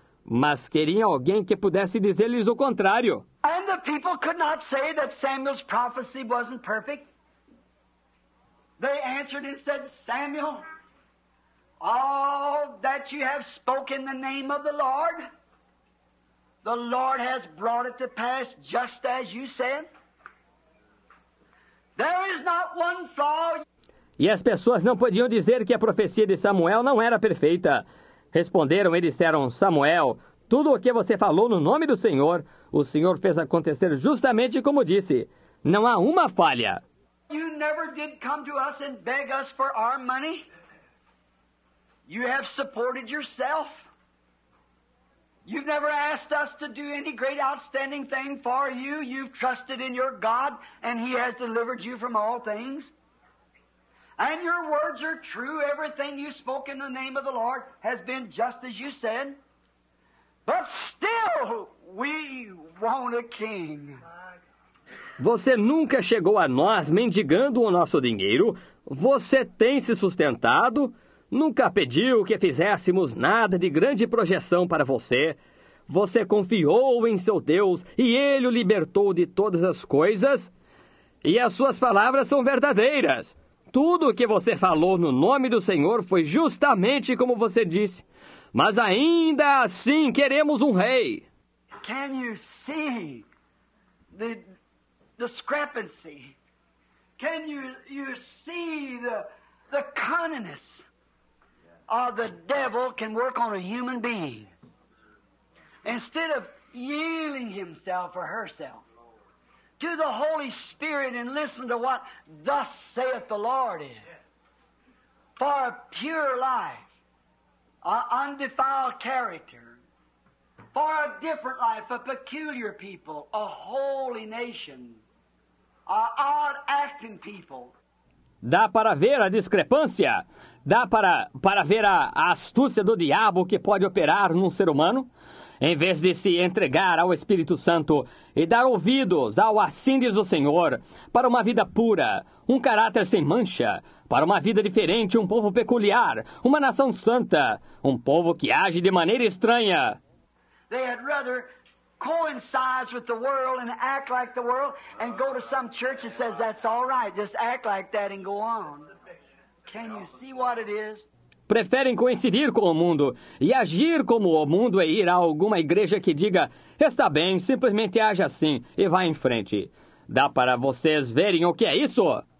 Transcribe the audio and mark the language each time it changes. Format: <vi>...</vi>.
<pt>Mas queriam alguém que pudesse dizer-lhes o contrário.</pt> <en>And the people could not say that Samuel's prophecy wasn't perfect. They answered and said, Samuel, all that you have spoken in the name of the Lord has brought it to pass just as you said. There is not one flaw.</en> <pt>E as pessoas não podiam dizer que a profecia de Samuel não era perfeita. Responderam e disseram, Samuel, tudo o que você falou no nome do Senhor, o Senhor fez acontecer justamente como disse. Não há uma falha.</pt> <en>You never did come to us and beg us for our money. You have supported yourself. You've never asked us to do any great outstanding thing for you. You've trusted in your God and He has delivered you from all things. And your words are true. Everything you spoke in the name of the Lord has been just as you said. But still, we want a king.</en> <pt>Você nunca chegou a nós mendigando o nosso dinheiro. Você tem se sustentado. Nunca pediu que fizéssemos nada de grande projeção para você. Você confiou em seu Deus e Ele o libertou de todas as coisas. E as suas palavras são verdadeiras. Tudo o que você falou no nome do Senhor foi justamente como você disse. Mas ainda assim queremos um rei.</pt> <en>Can you see the discrepancy? Can you see the cunningness of the devil can work on a human being instead of yielding himself or herself to the Holy Spirit and listen to what thus saith the Lord is. For a pure life, an undefiled character, for a different life, a peculiar people, a holy nation, an odd-acting people.</en> <pt>Dá para ver a discrepância? Dá para ver a astúcia do diabo que pode operar num ser humano? Em vez de se entregar ao Espírito Santo e dar ouvidos ao assim diz o Senhor, para uma vida pura, um caráter sem mancha, para uma vida diferente, um povo peculiar, uma nação santa, um povo que age de maneira estranha.</pt> <en>They had rather coincide with the world and act like the world and go to some church that says that's all right, just act like that and go on. Can you see what it is?</en> <pt>Preferem coincidir com o mundo e agir como o mundo e ir a alguma igreja que diga, está bem, simplesmente age assim e vá em frente. Dá para vocês verem o que é isso?</pt>